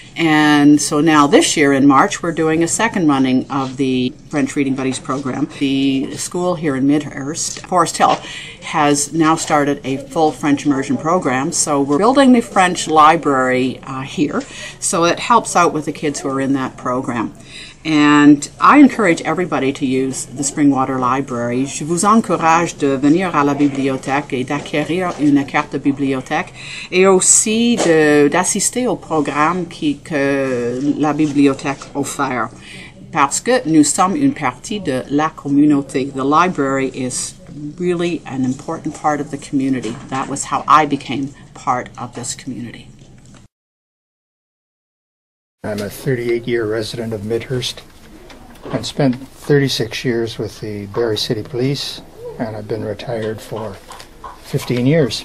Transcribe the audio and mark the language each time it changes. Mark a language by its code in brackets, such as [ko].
[en] And so now this year in March, we're doing a second running of the French Reading Buddies program. The school here in Midhurst, Forest Hill, has now started a full French immersion program. So we're building the French library here. So it helps out with the kids who are in that program. And I encourage everybody to use the Springwater Library. [fr] Je vous encourage de venir à la bibliothèque et d'acquérir une carte de bibliothèque et aussi d'assister au programme que la bibliothèque offre. Parce que nous sommes une partie de la communauté. [en] The library is really an important part of the community. That was how I became part of this community. I'm a 38-year resident of Midhurst and spent 36 years with the Barry City Police, and I've been retired for 15 years.